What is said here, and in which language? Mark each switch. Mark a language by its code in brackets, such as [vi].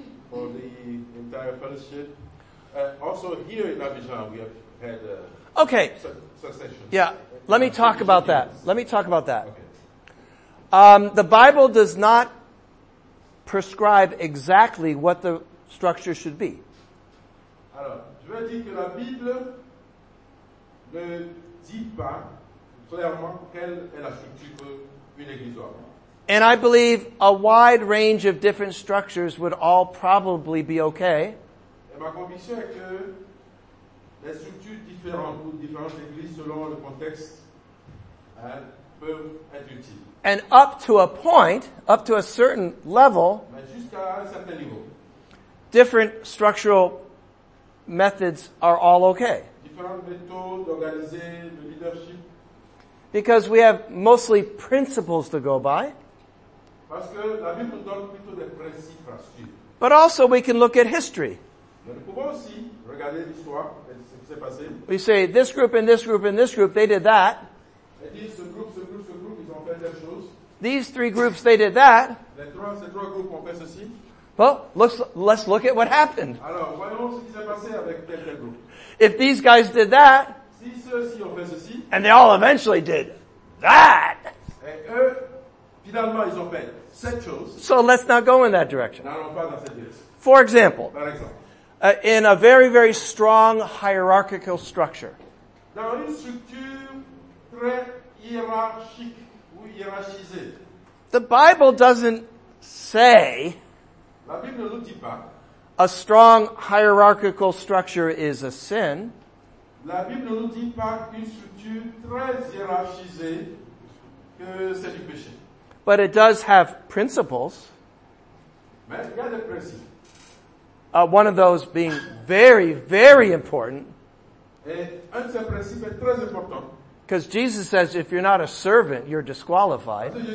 [en] For the entire fellowship. Also here in Abidjan, we have had succession. Yeah, let me talk about that. Let me talk about that. Okay. The Bible does not prescribe exactly what the structure should be. [fr] Alors, je veux dire que la Bible ne dit pas clairement quelle est la structure qu'une église doit avoir. [en] And I believe a wide range of different structures would all probably be okay. [fr] Et ma conviction est que les structures différentes ou différentes églises selon le contexte peuvent être utiles. [en] And up to a point, up to a certain level, [fr] mais jusqu'à un certain niveau, [en] different structural methods are all okay. [fr] Différentes méthodes d'organiser le leadership. [en] Because we have mostly principles to go by. [fr] Parce que la Bible nous donne plutôt des principes à suivre. [en] But also we can look at history. [fr] Mais nous pouvons aussi regarder l'histoire et ce qui s'est passé. [en] We say this group and this group and this group, they did that. [fr] Et dit, ce groupe, ils ont fait telle chose. [en] These three groups, they did that. [fr] Ces trois groupes ont fait ceci. [en] Well, let's look at what happened. [fr] Alors, voyons ce qui s'est passé avec tel groupe. [en] If these guys did that, [fr] si ceux-ci ont fait ceci, [en] and they all eventually did that, [fr] et eux, finalement, ils ont fait cette chose. [en] So let's not go in that direction. [fr] N'allons pas dans cette direction. [en] For example, in a very, very strong hierarchical structure, [fr] dans une structure très hiérarchique ou hiérarchisée, [en] the Bible doesn't say [fr] la Bible ne nous dit pas. [en] A strong hierarchical structure is a sin. [fr] La Bible ne nous dit pas qu'une structure très hiérarchisée que c'est du péché. [en] But it does have principles. [fr] Mais il y a des principes. [en] One of those being very, very important. [fr] Et un de ces principes est très important. [en] Because Jesus says, if you're not a servant, you're disqualified.